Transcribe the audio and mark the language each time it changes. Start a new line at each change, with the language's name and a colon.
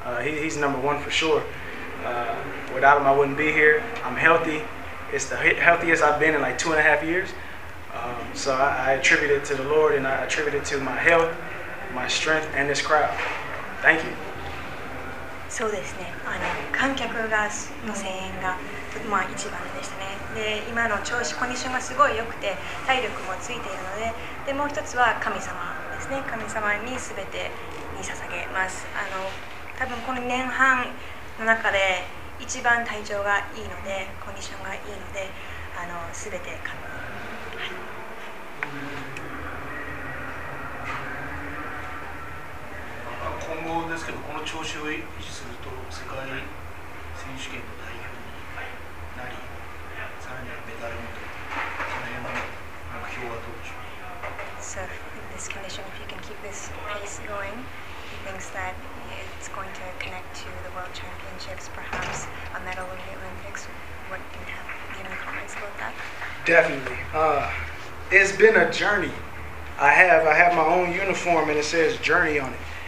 English: He's number one for sure. Without him, I wouldn't be here. I'm healthy. It's the healthiest I've been in like 2.5 years. So I attribute it to the Lord, and I attribute it to my health, my strength, and this crowd. Thank you.
Japanese: そうですね。あの観客がの声援が、まあ、一番でしたね。で今の調子コンディションがすごい良くて体力もついているの でもう一つは神様ですね。神様に全てに捧げます。あの多分この2年半の中で一番体調がいいのでコンディションがいいのであの全て神様、はい、今後ですけどこの調子を維持すると世界選手権の代表になり、さらにはメダルもと、その辺の目標はどうでしょうか。
English: So, in this condition, if you can keep this pace going, he thinks that it's going to connect to the World Championships, perhaps a medal in the Olympics. What do you have any comments about that? Definitely. It's been a journey. I have my own uniform and it says journey on it.